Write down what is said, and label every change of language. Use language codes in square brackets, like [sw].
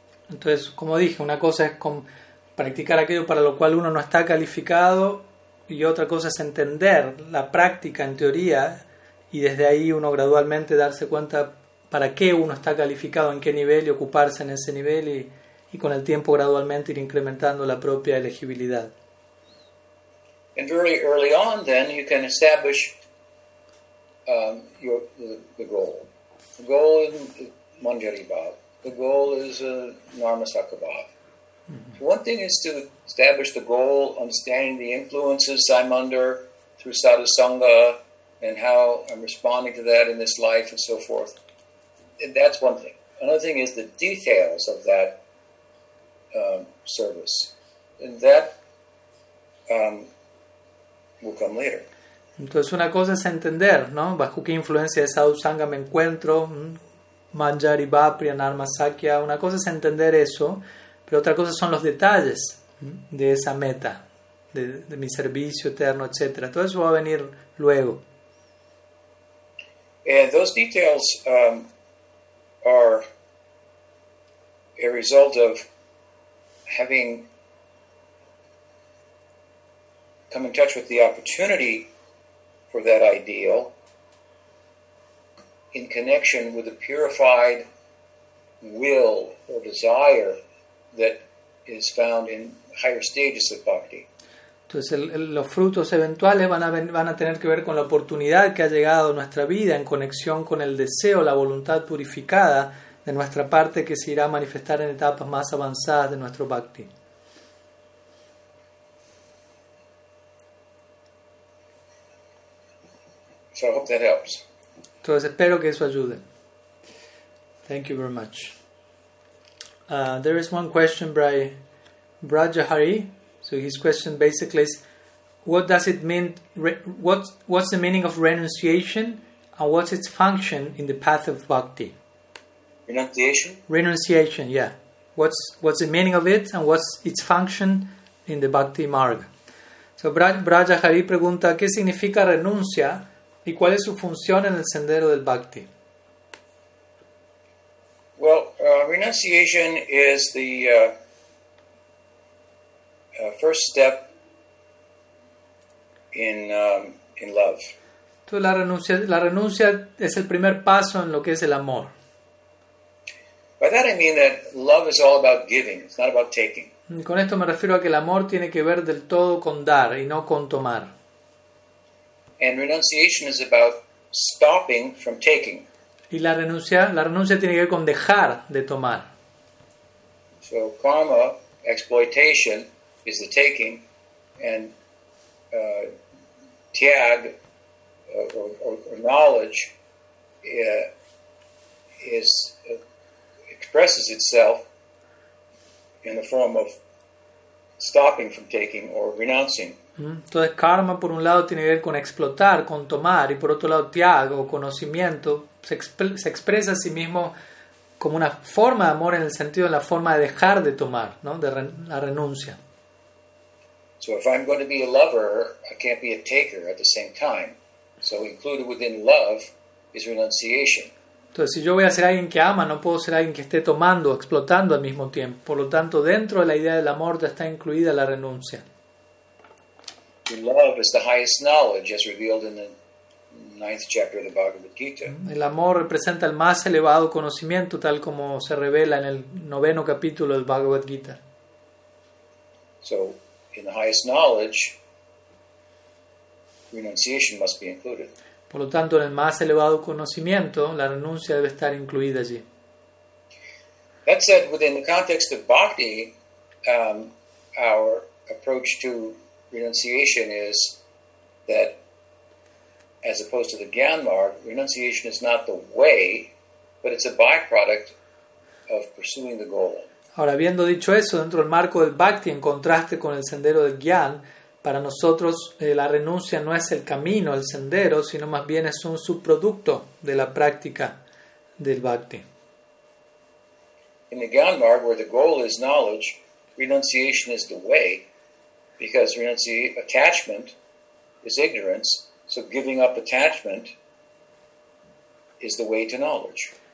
[es] Entonces, como dije, una cosa es practicar aquello para lo cual uno no está calificado, y otra cosa es entender la práctica en teoría, y desde ahí uno gradualmente darse cuenta para qué uno está calificado, en qué nivel, y ocuparse en ese nivel, y con el tiempo gradualmente ir incrementando la propia elegibilidad. [en] And very early on, then, you can establish the goal. The goal is Manjari Bhav. The goal is Narmasaka Bhav. Mm-hmm. One thing is to establish the goal, understanding the influences I'm under through sadhusanga, and how I'm responding to that in this life, and so forth. That's one thing. Another thing is the details of that service. And that will come later. [es] Entonces una cosa es entender, ¿no? Bajo qué influencia de esa usanga me encuentro, Manjari, Bapri, Anarma, Sakya. Una cosa es entender eso, pero otra cosa son los detalles de esa meta, de mi servicio eterno, etc. Todo eso va a venir luego. [en] And those details are a result of having come in touch with the opportunity for that ideal in connection with a purified will or desire that is found in higher stages of bhakti. [es] Entonces los frutos eventuales van a tener que ver con la oportunidad que ha llegado a nuestra vida en conexión con el deseo, la voluntad purificada de nuestra parte que se irá a manifestar en etapas más avanzadas de nuestro bhakti. [en] So I hope that helps. [es] Entonces espero que eso ayude. [en] Thank you very much. There is one question by Brajahari. So his question basically is, what does it mean? What's the meaning of renunciation, and what's its function in the path of bhakti? Renunciation. Renunciation. Yeah. What's the meaning of it, and what's its function in the bhakti marga? [es] So Brajahari pregunta, ¿qué significa renuncia? ¿Y cuál es su función en el sendero del bhakti? [en] Well, renunciation is the first step in love. [es] Entonces, la renuncia es el primer paso en lo que es el amor. [en] By that I mean that love is all about giving, it's not about taking. [es] Y con esto me refiero a que el amor tiene que ver del todo con dar y no con tomar. [en] And renunciation is about stopping from taking. [es] Y la renuncia tiene que ver con dejar de tomar. [en] So karma, exploitation, is the taking, and tyag, or knowledge, expresses itself in the form of stopping from taking or renouncing. [es] Entonces karma por un lado tiene que ver con explotar, con tomar, y por otro lado tyag o conocimiento se expresa a sí mismo como una forma de amor en el sentido de la forma de dejar de tomar, ¿no? La renuncia. [en] So if I'm going to be a lover, I can't be a taker at the same time. So included within love is renunciation. [es] Entonces si yo voy a ser alguien que ama, no puedo ser alguien que esté tomando, explotando al mismo tiempo. Por lo tanto, dentro de la idea del amor ya está incluida la renuncia. [en] Love is the highest knowledge as revealed in the ninth chapter of the Bhagavad Gita. [es] El amor representa el más elevado conocimiento tal como se revela en el noveno capítulo del Bhagavad Gita. [en] So in the highest knowledge, renunciation must be included. [es] Por lo tanto, en el más elevado conocimiento, la renuncia debe estar incluida allí. [en] That said, within the context of bhakti, our approach to renunciation is that, as opposed to the Gyanmarg, renunciation is not the way, but it's a byproduct of pursuing the goal. [es] Ahora, habiendo dicho eso, dentro del marco del bhakti, en contraste con el sendero del Gyan, para nosotros la renuncia no es el camino, el sendero, sino más bien es un subproducto de la práctica del bhakti. [en] In the Gyanmarg, where the goal is knowledge, renunciation is the way, because attachment is ignorance, so giving up attachment is the way to knowledge.